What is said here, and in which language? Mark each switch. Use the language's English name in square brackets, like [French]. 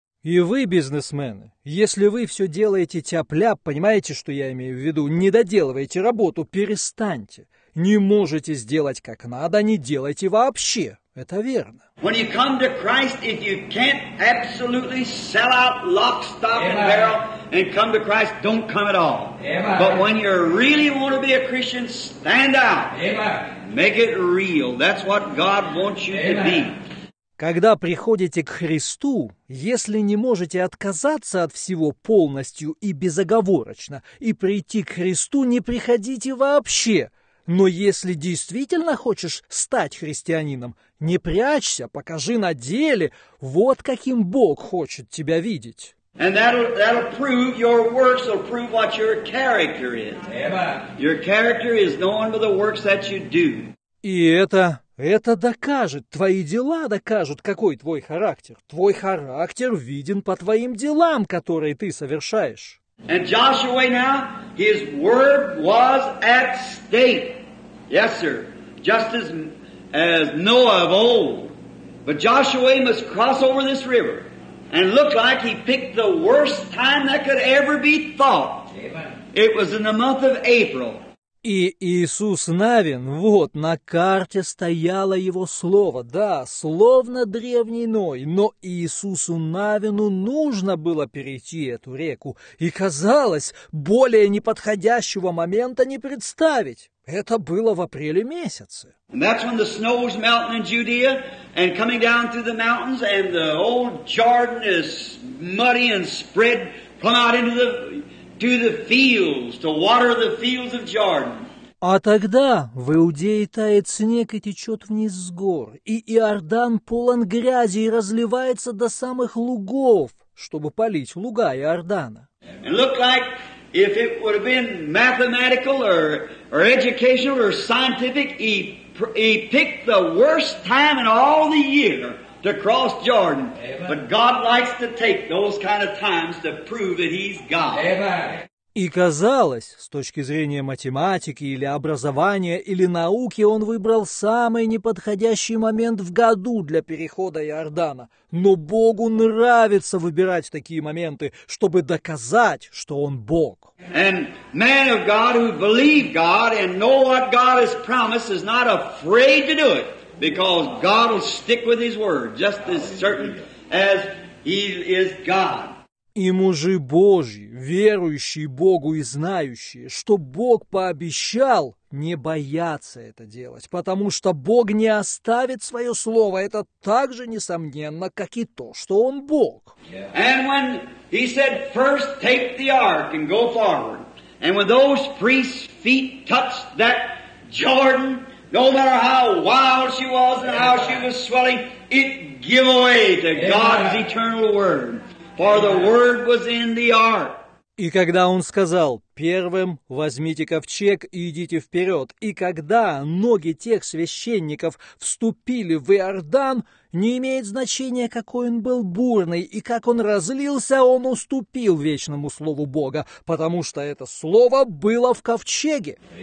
[Russian] И вы, бизнесмены, если вы все делаете тяп-ляп, понимаете, что я имею в виду, не доделываете работу, перестаньте. Не можете сделать как надо, не делайте вообще. Это верно. [English] When you come to Christ, if you can't absolutely sell out lock, stock and barrel and come to Christ, don't come at all. But when you really want to be a Christian, stand out. Make it real. That's what God wants you to be. [Russian] Когда приходите к Христу, если не можете отказаться от всего полностью и безоговорочно, и прийти к Христу, не приходите вообще. Но если действительно хочешь стать христианином, не прячься, покажи на деле, вот каким Бог хочет тебя видеть. [English] And that'll prove your works, will prove what your character is. Your character is known by the works that you do. [Russian] И это докажет, твои дела докажут, какой твой характер. Твой характер виден по твоим делам, которые ты совершаешь. [English] And Joshua now, his word was at stake. Yes, sir. Just as Noah of old. But Joshua must cross over this river. And it looked like he picked the worst time that could ever be thought. It was in the month of April. [Russian] И Иисус Навин, вот, на карте стояло его слово, да, словно древний Ной, но Иисусу Навину нужно было перейти эту реку, и казалось, более неподходящего момента не представить. Это было в апреле месяце. [English] And that's when the snow was melting in Judea, and coming down through the mountains, and the old Jordan is muddy and spread, come out into the... To the fields, to water the fields of Jordan. [Russian] А тогда в Иудее тает снег и течет вниз с гор, и Иордан полон грязи и разливается до самых лугов, чтобы полить луга Иордана. [English] And look like if it would have been mathematical or educational or scientific, he picked the worst time in all the year to cross Jordan. Amen. But God likes to take those kind of times to prove that he's God. Amen. [Russian] И казалось, с точки зрения математики или образования или науки, он выбрал самый неподходящий момент в году для перехода Иордана. Но Богу нравится выбирать такие моменты, чтобы доказать, что он Бог. [English] And man of God who believe God and know what God has promised is not afraid to do it. Because God will stick with His word, just as certain as He is God. [Russian] И мужи Божьи, верующие Богу и знающие, что Бог пообещал, не боятся это делать, потому что Бог не оставит свое слово. Это так же несомненно, как и то, что Он Бог. [English] And when He said, first take the ark and go forward, and when those priests' feet touched that Jordan, no matter how wild she was and how she was swelling, it gave away to God's eternal word. For the word was in the ark. [Russian] И когда он сказал, первым возьмите ковчег и идите вперед, и когда ноги тех священников вступили в Иордан, не имеет значения, какой он был бурный, и как он разлился, он уступил вечному слову Бога, потому что это слово было в ковчеге.